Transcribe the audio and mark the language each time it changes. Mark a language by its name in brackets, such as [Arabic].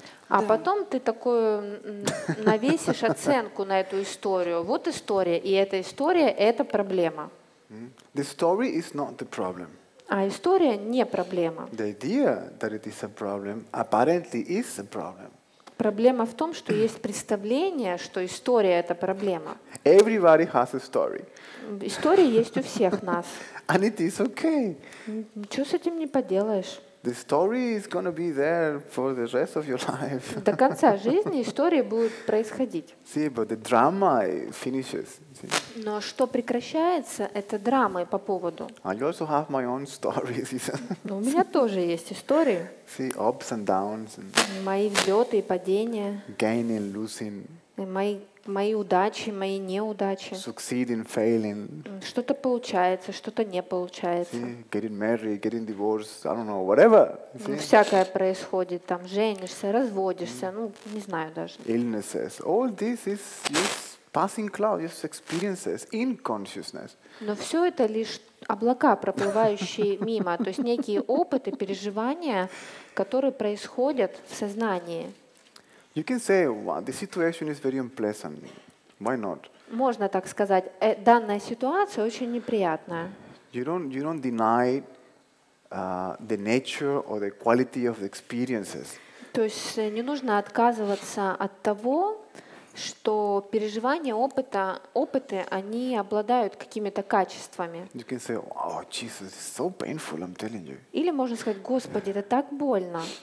[Russian] А потом ты такую навесишь оценку на эту историю. Вот история, и эта история — это проблема. [English] The story is not the problem. [Russian] А история не проблема. [English] The idea that it is a problem apparently is a problem. [Russian] Проблема в том, что есть представление, что история — это проблема. [English] Everybody has a story. [Russian] История есть у всех нас. [English] And it is okay. [Russian] Ничего с этим не поделаешь. [English] The story is going to be there for the rest of your life. [Russian] До конца жизни история будет происходить. [English] See, but the drama finishes. [Russian] Но что прекращается, это драмы по поводу. [English] I also have my own stories. [Russian] Но у меня тоже есть истории. [English] See, ups and downs. [Russian] Мои взлеты и падения. [English] Gain and losing. [Russian] Мои удачи, мои неудачи. [English] Succeeding, failing. [Russian] Что-то получается, что-то не получается. [English] See, getting married, getting divorced, I don't know, whatever. [Russian] Ну, всякое происходит, там женишься, разводишься, ну не знаю даже. [English] Illnesses, all this is just passing clouds, experiences in consciousness. [Russian] Но все это лишь облака, проплывающие мимо, то есть некие опыты, переживания, которые происходят в сознании. [English] You can say, well, the situation is very unpleasant. Why not? [Russian] Можно так сказать. Данная ситуация очень неприятная. [English] You don't deny the nature or the quality of the experiences. [Russian] То есть не нужно отказываться от того, что переживания, опыты, они обладают какими-то качествами. [English] You can say, oh, Jesus, it's so painful, I'm telling you. [Russian] Или можно сказать, Господи, это так больно.